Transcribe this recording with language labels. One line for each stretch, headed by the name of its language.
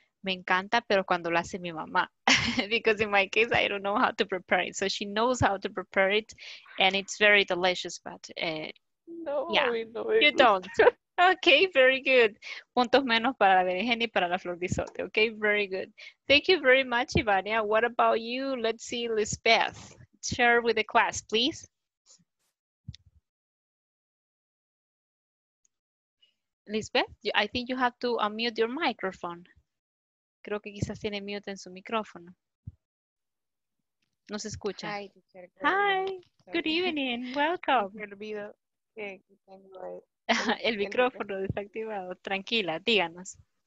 Spanish: Me encanta, pero cuando lo hace mi mamá.
English: Because in my case, I don't know how to prepare it. So she knows how to prepare it. And it's very delicious. But you don't. Okay, very good.
Spanish: Puntos menos para la berenjena y para la flor de sote.
English: Okay, very good. Thank you very much, Ivania. What about you? Let's see, Lisbeth. Share with the class, please. Lisbeth, I think you have to unmute your microphone.
Spanish: Creo que quizás tiene mute en su micrófono. No se escucha.
English: Hi, hi. Good evening. Welcome.
Spanish: El micrófono desactivado. Tranquila, díganos.